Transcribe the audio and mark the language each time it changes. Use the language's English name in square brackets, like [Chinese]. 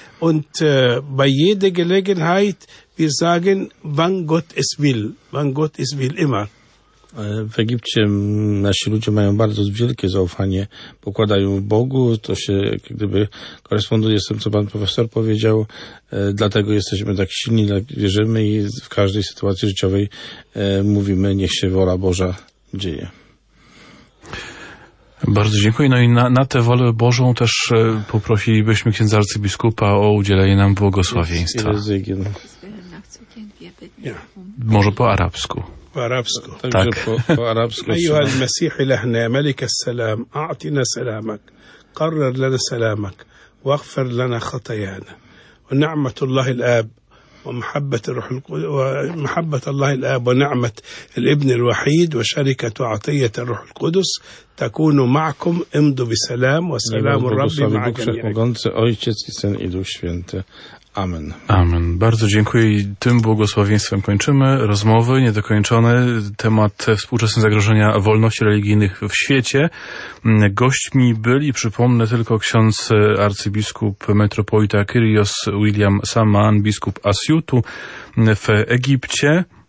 [German] Und bei jeder Gelegenheit, wir sagen, wann Gott es will, immer. [Polish] W Egipcie nasi ludzie mają bardzo wielkie zaufanie, pokładają w Bogu, to się jak gdyby koresponduje z tym, co pan profesor powiedział, dlatego jesteśmy tak silni, wierzymy i w każdej sytuacji życiowej mówimy, niech się wola Boża dzieje. Bardzo dziękuję. No i na tę wolę Bożą też poprosilibyśmy księdza arcybiskupa o udzielenie nam błogosławieństwa. Może po arabsku. بارابسكو تاك [Arabic] ايها المسيح الهنا ملك السلام اعطنا سلامك قرر لنا سلامك واغفر لنا خطايانا ونعمه الله الاب ومحبه الروح ومحبه الله الاب ونعمه الابن الوحيد وشركه عطيه الروح القدس تكون معكم امضوا بسلام وسلام الرب معكم [Polish] ojciec i syn i duch święty. Amen. Amen. Bardzo dziękuję i tym błogosławieństwem kończymy. Rozmowy niedokończone. Temat współczesnych zagrożenia wolności religijnych w świecie. Gośćmi byli, przypomnę, tylko ksiądz arcybiskup metropolita Kyrios William Saman, biskup Asiutu w Egipcie.